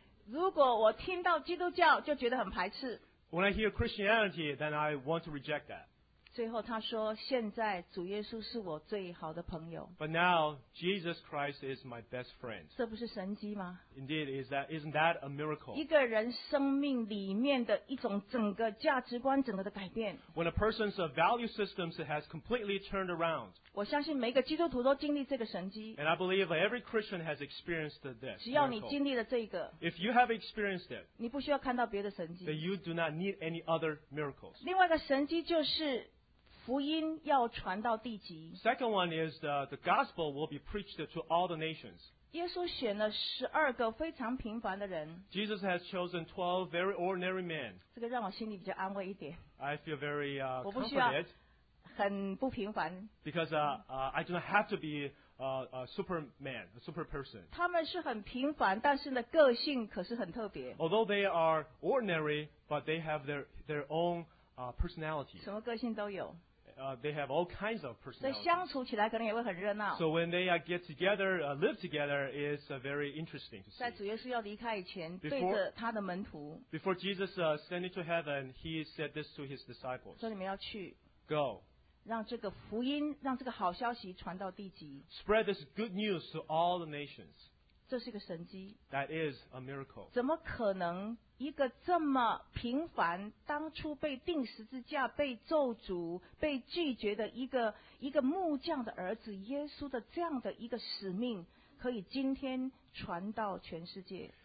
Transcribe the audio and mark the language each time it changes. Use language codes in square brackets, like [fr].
[zh] 如果我听到基督教就觉得很排斥。 [en] When I hear Christianity, then I want to reject that. [zh] 最后他说现在主耶稣是我最好的朋友。 [en] But now, Jesus Christ is my best friend. [zh] 这不是神迹吗？ [en] Indeed, isn't that a miracle? [zh] 一个人生命里面的一种整个价值观整个的改变。 [en] When a person's value systems has completely turned around. [zh] 我相信每个基督徒都经历这个神迹。 [en] And I believe every Christian has experienced this. [zh] 只要你经历了这个。 [en] If you have experienced it. [zh] 你不需要看到别的神迹。 [en] Then you do not need any other miracles. [zh] 另外一个神迹就是福音要传到地极。 [en] Second one is the gospel will be preached to all the nations. [zh] 耶稣选了十二个非常平凡的人。 [en] Jesus has chosen 12 very ordinary men. [zh] 这个让我心里比较安慰一点。 [en] I feel very comforted. [zh] 我不需要很不平凡。 [en] Because I do not have to be a superman, a super person. [zh] 他们是很平凡，但是呢，个性可是很特别。 [en] Although they are ordinary, but they have their own. Personality. [zh] 什么个性都有。 [en] They have all kinds of personalities. [zh] 所以相处起来可能也会很热闹。 [en] So when they get together, live together, it's very interesting to see. [zh] 在主耶稣要离开以前，对着他的门徒。 [en] Before Jesus ascended to heaven, he said this to his disciples. [zh] 说你们要去。 [en] Go. [zh] 让这个福音，让这个好消息传到地极。 [en] Spread this good news to all the nations. [zh] 这是一个神迹。 [en] That is a miracle. [zh] 怎么可能？一个这么平凡，当初被钉十字架、被咒诅、被拒绝的一个木匠的儿子，耶稣的这样的一个使命，可以今天传到全世界。